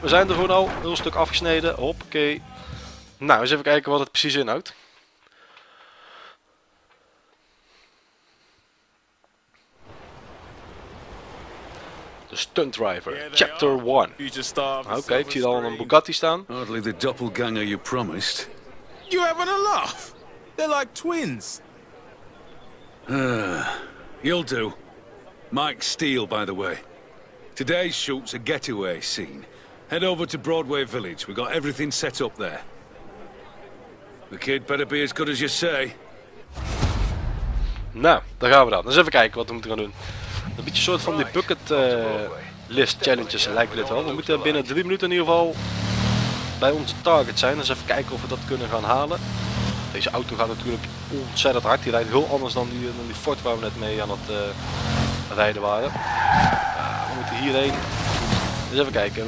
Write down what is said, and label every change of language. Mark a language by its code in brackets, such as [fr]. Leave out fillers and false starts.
[nl] We zijn er gewoon al een stuk afgesneden. Hoppakee. Nou, eens even kijken wat het precies inhoudt. De stunt driver, chapter 1. Oké, ik zie al een Bugatti staan. [en] Hardly the doppelganger you promised. You having a laugh? They're like twins. You'll do. Mike Steele, by the way. Today's shoot's a getaway scene. Head over to Broadway Village. We got everything set up there. The kid better be as good as you say. [nl] Nou, daar gaan we dan. Eens even kijken wat we moeten gaan doen. Een beetje een soort van die bucket list challenges lijkt me dit wel. We moeten binnen 3 minuten in ieder geval bij onze target zijn. Eens even kijken of we dat kunnen gaan halen. Deze auto gaat natuurlijk ontzettend hard. Die rijdt heel anders dan die Ford waar we net mee aan het rijden waren. We moeten hierheen. Eens even kijken.